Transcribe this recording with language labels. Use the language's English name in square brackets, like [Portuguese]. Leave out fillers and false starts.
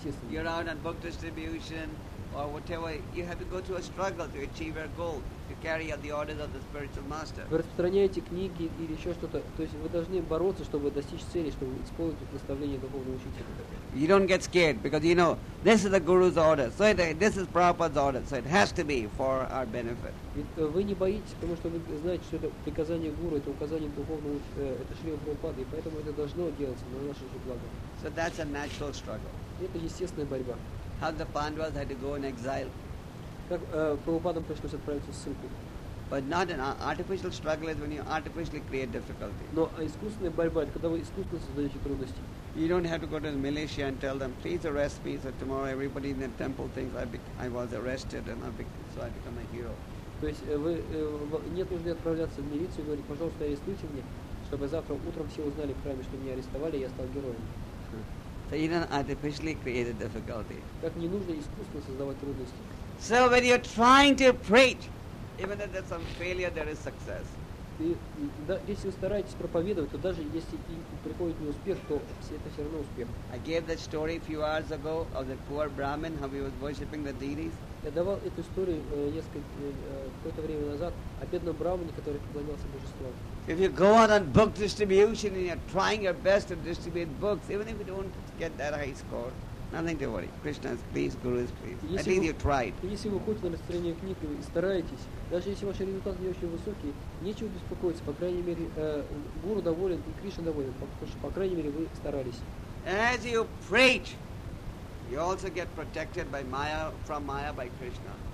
[English] You're out on book distribution, or whatever, you have to go through a struggle to achieve your goal, to carry out the orders of the spiritual master. [Russian] Вы распространяете книги или еще что-то, то есть вы должны бороться, чтобы достичь цели, чтобы исполнить наставление духовного учителя. [English] You don't get scared because you know this is the guru's order, so this is Prabhupada's order, so it has to be for our benefit. [Russian] Вы не боитесь, потому что вы знаете, что это приказание гуру, это указание духовного, это шрила Прабхупады, и поэтому это должно делаться на наше же благо. [English] So that's a natural struggle. [Russian] Это естественная борьба. [English] How the Pandavas had to go in exile. [Russian] Как Прабхупадам пришлось отправиться в ссылку. [English] But not an artificial struggle is when you artificially create difficulty. [Russian] Но искусственная борьба, когда вы искусственно создаете трудности. [English] You don't have to go to the militia and tell them, please arrest me, so tomorrow everybody in the temple thinks I was arrested and so I become a hero. [Russian] То есть вы нет нужды отправляться в милицию и говорить, пожалуйста, арестуйте меня, чтобы завтра утром все узнали в храме, что меня арестовали, и я стал героем. [English] So you don't artificially create a difficulty. [Russian] Как не нужно искусственно создавать трудности. [English] So when you're trying to preach, even if there's some failure, there is success. [Russian] Если вы стараетесь проповедовать, то даже если приходит неуспех, то это все равно успех. [English] I gave that story a few hours ago of the poor Brahmin, how he was worshipping the deities. [Russian] Я давал эту историю какое-то время назад о бедном Брахмане, который поклонялся божеству. [English] If you go out on book distribution and you're trying your best to distribute books, even if you don't get that high score, nothing to worry. Krishna is pleased, Guru is pleased. At least you tried. [Russian] Если вы хоть на распространение книг и стараетесь, даже если ваши результаты не очень высокие, нечего беспокоиться. По крайней мере, Гуру доволен и Кришна доволен, потому что, по крайней мере, вы старались. [English] As you preach, you also get protected by Maya, from Maya by Krishna.